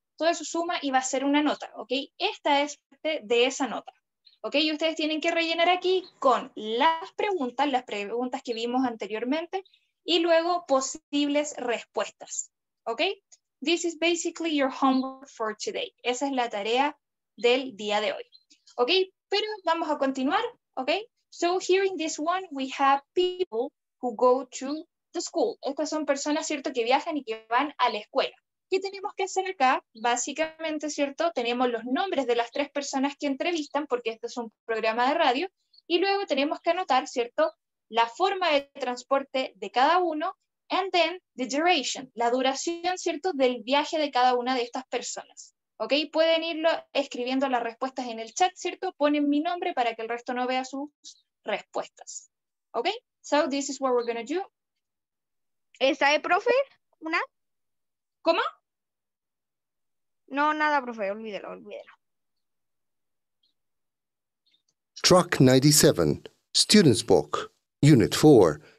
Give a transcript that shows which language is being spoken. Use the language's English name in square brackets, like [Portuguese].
[Spanish] Todo eso suma y va a ser una nota, ok. Esta es parte de esa nota, ok. Y ustedes tienen que rellenar aquí con las preguntas que vimos anteriormente, y luego posibles respuestas, ok. [English] This is basically your homework for today. [Spanish] Esa es la tarea del día de hoy. Ok, pero vamos a continuar. [English] Ok, so here in this one we have people who go to the school. [Spanish] Estas son personas, cierto, que viajan y que van a la escuela. ¿Qué tenemos que hacer acá? Básicamente, cierto, tenemos los nombres de las tres personas que entrevistan, porque este es un programa de radio, y luego tenemos que anotar, cierto, la forma de transporte de cada uno, [English] and then the duration, [Spanish] la duración, cierto, del viaje de cada una de estas personas. ¿Ok? Pueden irlo escribiendo las respuestas en el chat, ¿cierto? Ponen mi nombre para que el resto no vea sus respuestas. ¿Ok? [English] So, this is what we're going to do. [Spanish] ¿Está de profe? ¿Una? ¿Cómo? No, nada, profe. Olvídelo, olvídelo. [English] Truck 97. Students' book. Unit 4.